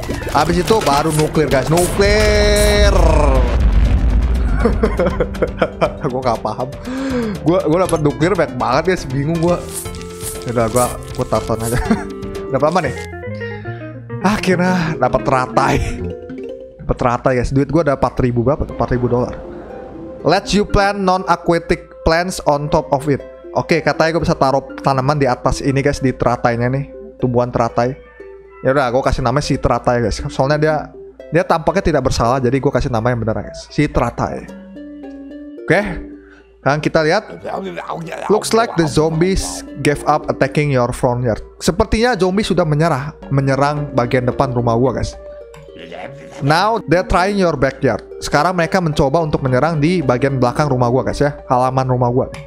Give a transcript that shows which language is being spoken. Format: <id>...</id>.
<id>Abis itu baru nuklir guys. Nuklir. Gue gak paham. Gue dapet nuklir banyak banget guys. Bingung gue. Yaudah gue tonton aja. Dapat apa nih? Akhirnya dapat teratai. Dapat teratai guys. Duit gue ada 4.000 berapa? $4.000.</id> <en>Let you plant non-aquatic plants on top of it.</en> <id>Oke, katanya gue bisa taruh tanaman di atas ini guys. Di teratainya nih. Tumbuhan teratai. Yaudah, gue kasih namanya si teratai guys. Soalnya dia tampaknya tidak bersalah. Jadi gue kasih nama yang benar guys. Si teratai. Oke. Sekarang kita lihat.</id> <en>Looks like the zombies gave up attacking your front yard.</en> <id>Sepertinya zombie sudah menyerang bagian depan rumah gua guys.</id> <en>Now they're trying your backyard.</en> <id>Sekarang mereka mencoba untuk menyerang di bagian belakang rumah gua guys ya, halaman rumah gua.</id>